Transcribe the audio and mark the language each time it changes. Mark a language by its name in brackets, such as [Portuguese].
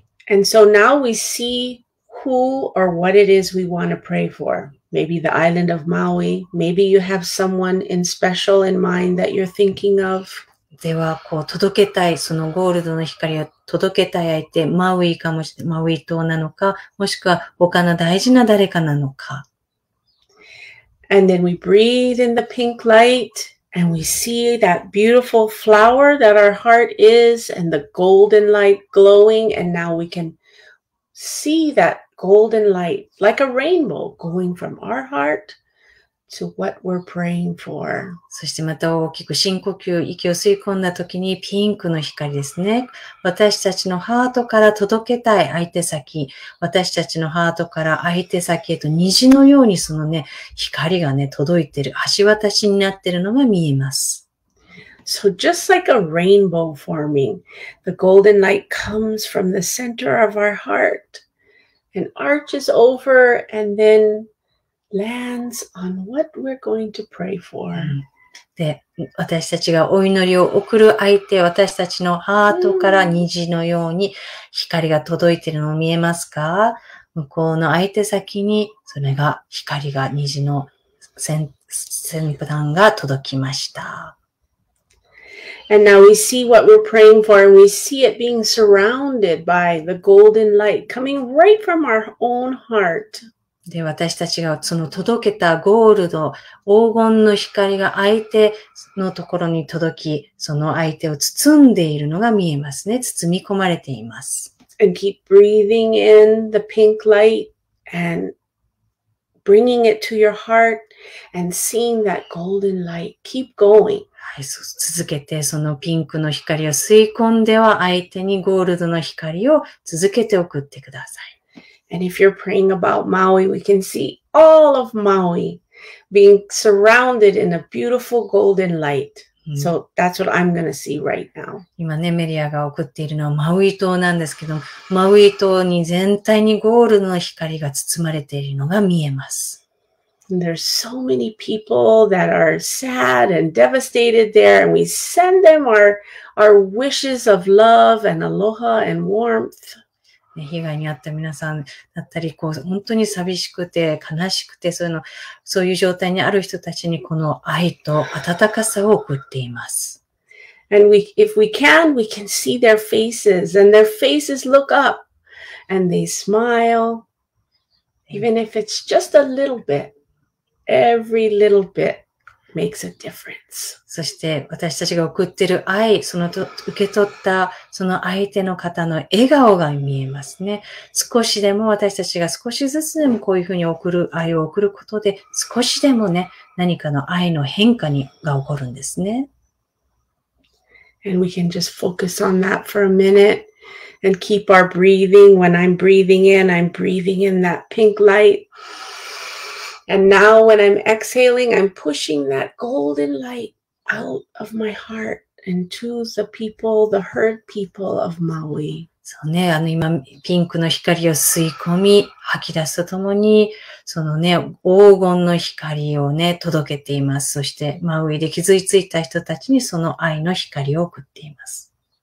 [English] And so now we see who or what it is we want to pray for. Maybe the island of Maui. Maybe you have someone in special in mind that you're thinking of. [Japanese] では、こう、届けたい、そのゴールドの光を届けたい相手、マウイかもしれない、マウイ島なのか、もしくは他の大事な誰かなのか。 [English] And then we breathe in the pink light, and we see that beautiful flower that our heart is, and the golden light glowing, and now we can see that golden light, like a rainbow, going from our heart to what we're praying for. [Japanese] そしてまた大きく深呼吸、息を吸い込んだ時にピンクの光ですね。私たちのハートから届けたい相手先、私たちのハートから相手先へと虹のようにそのね、光がね、届いてる、橋渡しになってるのが見えます。 [English] So just like a rainbow forming, the golden light comes from the center of our heart and arches over and then lands on what we're going to pray for. [Japanese] で、私たちがお祈りを送る相手、私たちのハートから虹のように光が届いているのを見えますか？向こうの相手先にそれが光が虹の先端が届きました。 [English] And now we see what we're praying for, and we see it being surrounded by the golden light coming right from our own heart. [Japanese] で、私たちがその届けたゴールド、黄金の光が相手のところに届き、その相手を包んでいるのが見えますね。包み込まれています。 [English] And keep breathing in the pink light and bringing it to your heart and seeing that golden light. Keep going. [Japanese] はい、続けてそのピンクの光を吸い込んでは相手にゴールドの光を続けて送ってください。 [English] And if you're praying about Maui, we can see all of Maui being surrounded in a beautiful golden light.、うん、so that's what I'm going to see right now. [Japanese] 今ね、メリアが送っているのはマウイ島なんですけど、マウイ島に全体にゴールドの光が包まれているのが見えます。 [English] And there's so many people that are sad and devastated there, and we send them our wishes of love and aloha and warmth. [Japanese] 被害に遭った皆さんだったり、こう本当に寂しくて悲しくて、そういうの、そういう状態にある人たちにこの愛と温かさを送っています。 [English] And if we can see their faces, and their faces look up, and they smile, even if it's just a little bit. Every little bit makes a difference. [Japanese] そして私たちが送っている愛、そのと受け取ったその相手の方の笑顔が見えますね。少しでも私たちが少しずつでもこういうふうに送る愛を送ることで、少しでもね、何かの愛の変化にが起こるんですね。 [English] And we can just focus on that for a minute and keep our breathing. When I'm breathing in that pink light. And now when I'm exhaling, I'm pushing that golden light out of my heart and to the people, the hurt people of Maui. [Japanese] そうね、あの今ピンクの光を吸い込み、吐き出すとともに、そのね、黄金の光をね、届けています。そしてマウイで傷ついた人たちにその愛の光を送っています。